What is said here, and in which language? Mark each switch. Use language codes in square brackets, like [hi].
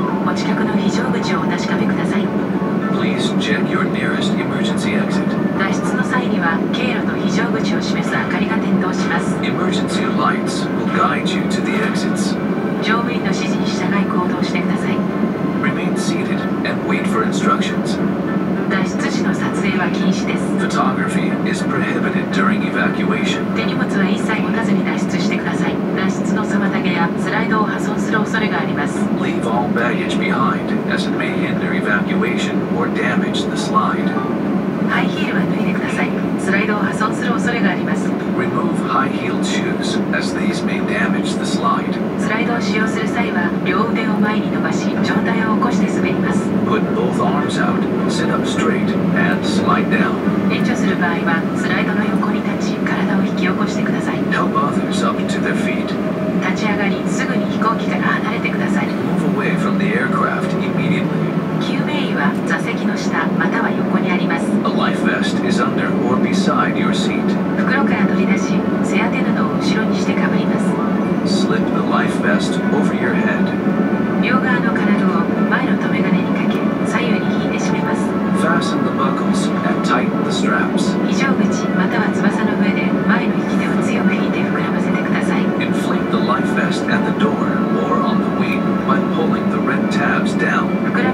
[ja] お近くの非常口をお確かめください。 [en] Please check your nearest emergency exit. [ja] 脱出の際には、経路の非常口を示す明かりが点灯します。 [en] Emergency lights will guide you to the exits. [ja] 乗務員の指示に従い行動してください。 [en] Remain seated and wait for instructions. [ja] 脱出時の撮影は禁止です。 [en] Photography is prohibited during evacuation. [ja] 手荷物は一切持たずに脱出してください。脱出の妨げやスライドを破損する恐れがあります。 [en] Leave all baggage behind, as it may hinder evacuation or damage the slide. [ja] ハイヒールは脱いでください。スライドを破損する恐れがあります。 [en] Remove high-heeled shoes, as these may damage the slide. [ja] スライドを使用する際は、両腕を前に伸ばし、上体を起こして滑ります。 [en] Put both arms out, sit up straight, and slide down. [ja] 援助する場合は、スライドの横に立ち、体を引き起こしてください。 [en] Help others up to their feet. [ja] 立ち上がり、すぐに飛行機から離れてください。 [en] Move away from the aircraft immediately. [ja] 救命衣は座席の下または横にあります。 [en] A life vest is under or beside your seat. [ja] 袋から取り出し、背当て布を後ろにしてかぶります。 [en] Slip the life vest over your head. [ja] 両側の金具を前の留め金にかけ、左右に引いて締めます。 [en] Fasten the buckles and tighten the straps. [ja] 非常口または翼の上で前の引き手を強く引いて膨らませてください。 [en] Inflate the life vest at the door or on the wing by pulling the red tabs down.